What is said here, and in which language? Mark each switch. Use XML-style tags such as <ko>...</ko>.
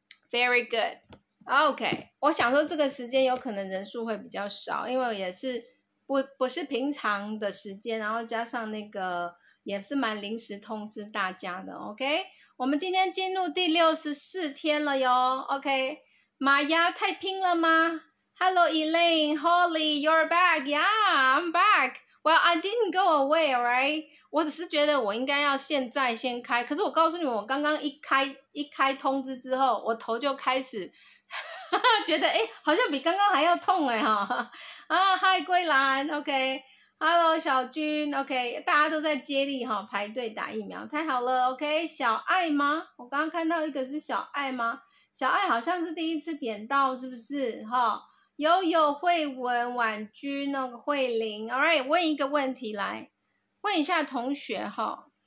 <en>Very good. OK.</en> <zh>我想说这个时间有可能人数会比较少因为也是 不是平常的时间然后加上那个也是蛮临时通知大家的 OK. 我们今天进入第64天了哟 OK. 玛雅太拼了吗</zh> <en>Hello Elaine, Holly, you're back. Yeah, I'm back. Well, I didn't go away, alright?</en> <zh>我只是觉得我应该要现在先开可是我告诉你们我刚刚一开通知之后我头就开始觉得诶好像比刚刚还要痛诶齁、哦。啊嗨桂兰 ,OK,Hello 小军 ,OK, 大家都在接力齁、哦、排队打疫苗太好了 ,OK, 小爱吗我刚刚看到一个是小爱吗小爱好像是第一次点到是不是齁、哦、悠悠慧文婉君那个慧玲 ,Alright, 问一个问题来问一下同学齁、哦、</zh>